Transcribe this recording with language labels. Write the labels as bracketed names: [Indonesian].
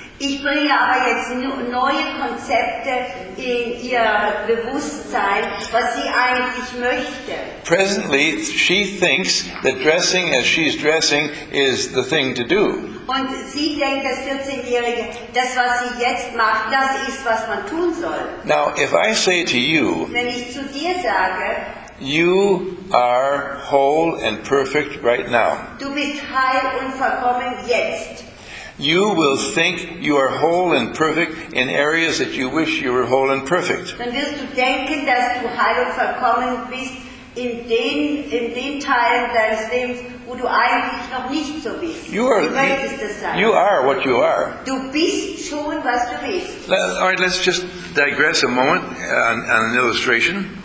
[German] Ich bringe aber jetzt neue Konzepte in ihr Bewusstsein, was sie eigentlich möchte. [English] Presently, she thinks that dressing as she's dressing is the thing to do. [German] Und sie denkt, das 14-Jährige, das, was sie jetzt macht, das ist, was man tun soll. [English] Now, if I say to you, [German] wenn ich zu dir sage, [English] you are whole and perfect right now. [German] Du bist heil und vollkommen jetzt. [English] You will think you are whole and perfect in areas that you wish you were whole and perfect. [German] Dann wirst du denken, dass du heil und vollkommen bist in den Teilen deines Lebens, wo du eigentlich noch nicht so bist. [English] You are what you are. [German] Du bist schon, was du bist. [English] All right, let's just digress a moment on an illustration.